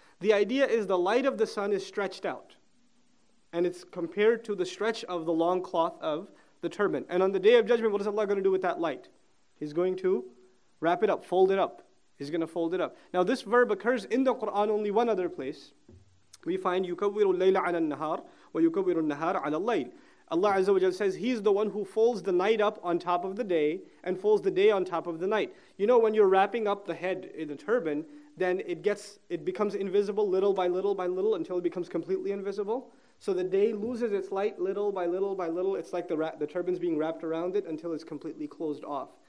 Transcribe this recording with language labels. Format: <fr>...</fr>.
<en>The idea is the light of the sun is stretched out, and it's compared to the stretch of the long cloth of the turban. And on the Day of Judgment, what is Allah going to do with that light? He's going to wrap it up, fold it up. He's going to fold it up. Now this verb occurs in the Qur'an only one other place. We find</en> <ar>يُكَوِّرُ اللَّيْلَ عَلَى النَّهَارِ وَيُكَوِّرُ النَّهَارَ عَلَى اللَّيْلِ.</ar> <en>Allah Azza wa Jalla says, He's the one who folds the night up on top of the day and folds the day on top of the night. You know, when you're wrapping up the head in the turban, then it becomes invisible little by little until it becomes completely invisible. So the day loses its light little by little by little. It's like the turban's being wrapped around it until it's completely closed off.</en>